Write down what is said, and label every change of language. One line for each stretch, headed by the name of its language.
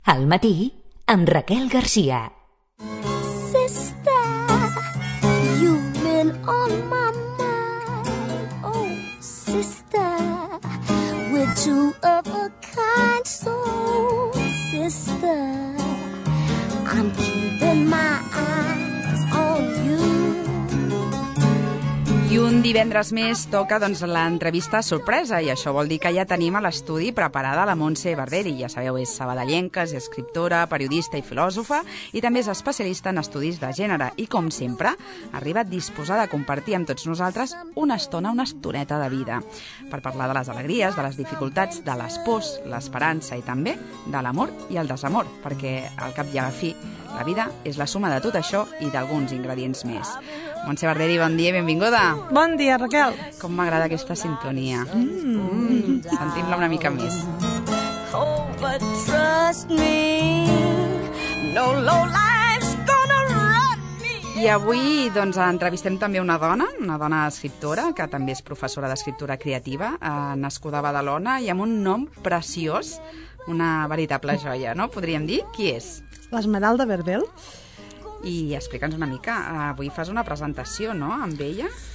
Catalan: Al matí, amb Raquel García.
English: Sister, you've been on my mind. Oh, sister, we're two of a kind. So, sister, I'm keeping my eyes on you.
Catalan: I un divendres més toca doncs l'entrevista sorpresa, i això vol dir que ja tenim a l'estudi preparada la Montse Barberi. Ja sabeu, és sabadellenca, és escriptora, periodista i filòsofa, i també és especialista en estudis de gènere. I com sempre, arriba disposada a compartir amb tots nosaltres una estoneta de vida, per parlar de les alegries, de les dificultats, de les pors, l'esperança i també de l'amor i el desamor, perquè al cap i a la fi, la vida és la suma de tot això i d'alguns ingredients més. Montse Barderi, bon dia i benvinguda. Bon dia, Raquel. Com m'agrada aquesta sintonia. Sentim-la una mica més.
English: Oh, but trust me, no low life's gonna run me.
Catalan: I avui doncs entrevistem també una dona escriptora, que també és professora d'escriptura creativa, nascuda a Badalona i amb un nom preciós, una veritable joia, no? Podríem dir, qui és? L'Esmeralda Verdel. I explica'ns una mica, avui fas una presentació, no?, amb ella.